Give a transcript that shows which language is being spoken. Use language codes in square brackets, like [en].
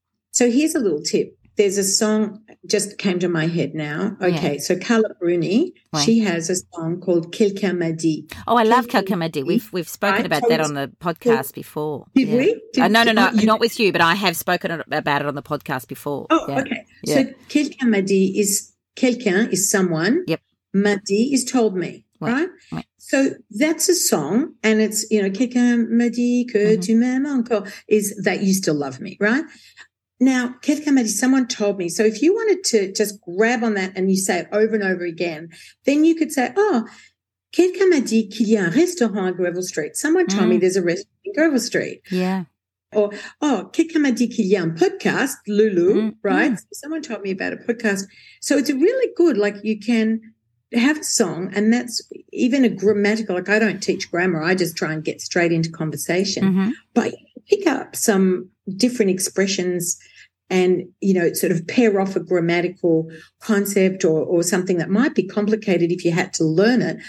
[en] So here's a little tip. There's a song just came to my head now. Okay. Yeah. So Carla Bruni, she has a song called Quelqu'un m'a dit. Oh, I love Quelqu'un m'a dit. We've spoken about that on the podcast before. Did we? Not with you, but I have spoken about it on the podcast before. Okay. Yeah. So Quelqu'un m'a dit is Quelqu'un is someone. Yep. M'a dit is told me, right? So that's a song and it's, you know, [fr] quelqu'un m'a dit que tu m'aimes encore [en] is that you still love me, right? Now, [fr] quelqu'un m'a dit, [en] someone told me. So if you wanted to just grab on that and you say it over and over again, then you could say, oh, [fr] quelqu'un m'a dit qu'il y a un restaurant à Greville Street. [en] Someone told me there's a restaurant in Greville Street. Yeah. [fr] Or, oh, quelqu'un m'a dit qu'il y a un podcast, Lulu, right? [en] Mm. Someone told me about a podcast. So it's really good. Like you can have a song and that's even a grammatical, like I don't teach grammar. I just try and get straight into conversation. Mm-hmm. But you pick up some different expressions and, you know, sort of pair off a grammatical concept or something that might be complicated if you had to learn it.